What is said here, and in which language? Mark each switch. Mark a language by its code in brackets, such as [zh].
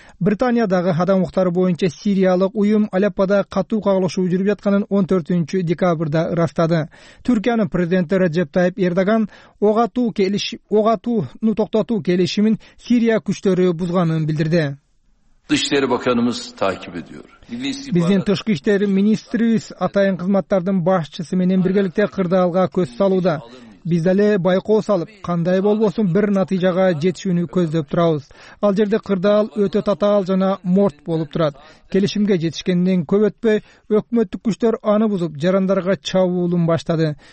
[ky] Британиядагы адам укуктары боюнча сириялык уюм Алеппада катуу кагылышуу жүрүп жатканын 14 декабрда ырастады. Түркиянын президенти Реджеп Тайип Эрдоган ок атууну токтотуу келишимин Сирия күчтөрү бузганын билдирди. [tr] Dışişleri Bakanımız takip ediyor. [ky] Биздин тышкы иштер министрибиз атайын кызматтардын башчысы менен биргеликте кырдаалга көз салууда. Биз деле байкоо салып, кандай болбосун бир натыйжага жетишүүнү көздөп турабыз. Ал жерде кырдаал өтө татаал жана морт болуп турат. Келишимге жетишкенден көп өтпөй, өкмөттүк күчтөр аны бузуп, жарандарга чабуулун баштады.